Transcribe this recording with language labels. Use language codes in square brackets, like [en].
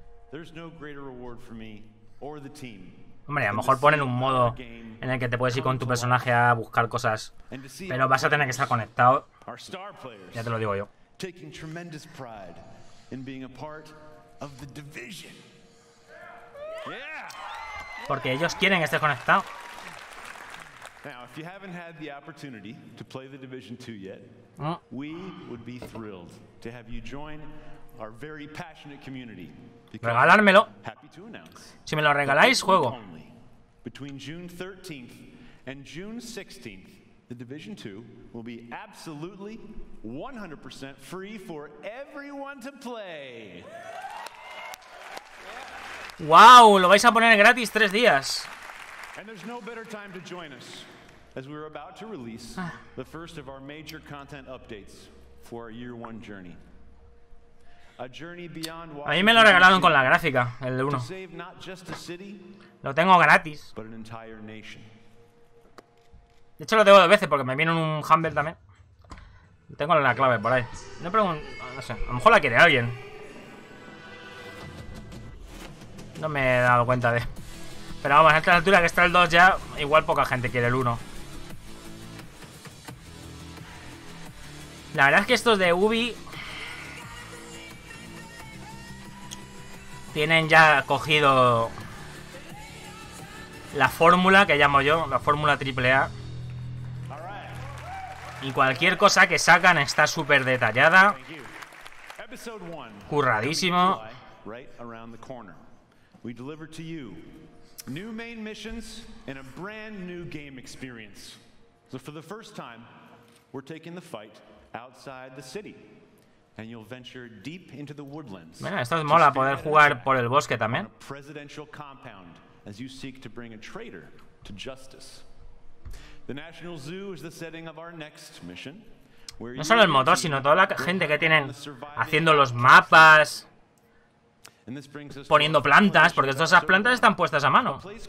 [en] There's no greater reward for me or the team. [es] Hombre, a lo mejor ponen un modo en el que te puedes ir con tu personaje a buscar cosas, pero vas a tener que estar conectado. Ya te lo digo yo. [en] Taking tremendous pride in being a part of the division. [es] Porque ellos quieren que estés conectado. [en] Now, if you haven't had the opportunity to play the Division 2 yet, we would be thrilled to have you join our very passionate community. [es] Regalármelo. Si me lo regaláis, juego. [en] Between June 13th and June 16th, the Division 2 will be absolutely 100% free for everyone to play. [es] ¡Wow! Lo vais a poner gratis 3 días. [en] And there's no better time to join us as we're about to release the first of our major content updates for our year one journey. A journey beyond Washington. [es] A mí me lo regalaron con la gráfica, el de uno. [en] To save not just a city, [es] lo tengo gratis. [en] But an entire nation. [es] De hecho lo tengo 2 veces porque me viene un Humble también. Tengo la clave por ahí. No pregunto, no sé, a lo mejor la quiere alguien. No me he dado cuenta de. Pero vamos, a esta altura que está el 2 ya, igual poca gente quiere el 1. La verdad es que estos de Ubi tienen ya cogido la fórmula que llamo yo, la fórmula AAA. Y cualquier cosa que sacan está súper detallada. Curradísimo. [en] We deliver to you new main missions and a brand new game experience. So for the first time, we're taking the fight outside the city, and you'll venture deep into the woodlands. [es] Mira, esto es mola, poder jugar por el bosque también. [en] Presidential compound as you seek to bring a traitor to justice. The National Zoo is the setting of our next mission. [es] No solo el motor, sino toda la gente que tienen haciendo los mapas, poniendo plantas, porque todas esas plantas están puestas a mano.